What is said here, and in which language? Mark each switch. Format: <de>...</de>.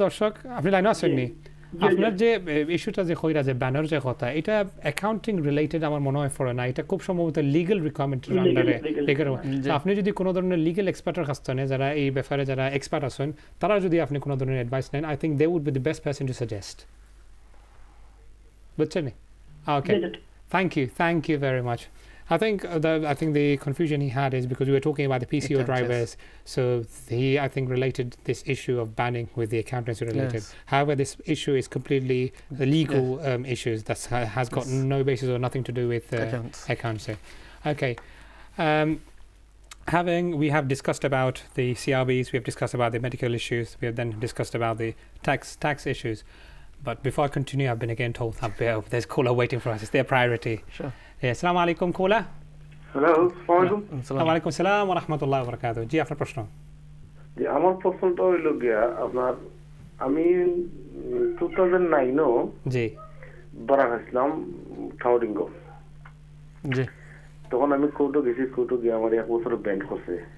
<bn>দর্শক আপনি লাইনে আছেন নি আপনার যে ইস্যুটা যে কইরা যে ব্যানার যে কথা এটা অ্যাকাউন্টিং রিলেটেড আমার মনে হয় ফরে না এটা খুব সম্ভবত লিগ্যাল রিকোয়ারমেন্টের আন্ডারে আপনি যদি কোনো ধরনের লিগ্যাল এক্সপার্টের কাছে নেন যারা এই ব্যাপারে যারা এক্সপার্ট আছেন তারা যদি আপনি কোনো ধরনের অ্যাডভাইস নেন</bn> <en>I think they would be the best person to suggest বুঝছেন okay thank you very much I think the confusion he had is because we were talking about the PCO drivers, so he, I think, related this issue of banning with the accountancy related. Yes. However, this issue is completely legal issues that has got no basis or nothing to do with accountancy. Okay. We have discussed about the CRBs, we have discussed about the medical issues, we have then discussed about the tax issues. But before I continue, I've been again told that there's caller waiting for us. It's their priority. Sure.</en> <bn>আসসালামু আলাইকুম কোলা hello ওয়ালাইকুম আসসালাম ওয়ালাইকুম আসসালাম ওয়া রাহমাতুল্লাহি ওয়া বারাকাতুহু জি আপনার প্রশ্ন জি আমার প্রশ্নটা হইল গিয়া আপনার আমি 2009 ও জি বড় হইছিলাম থাউরিং গো জি তখন আমি কোটো গিয়া আমার এক বছর ব্যান্ড করছে</bn>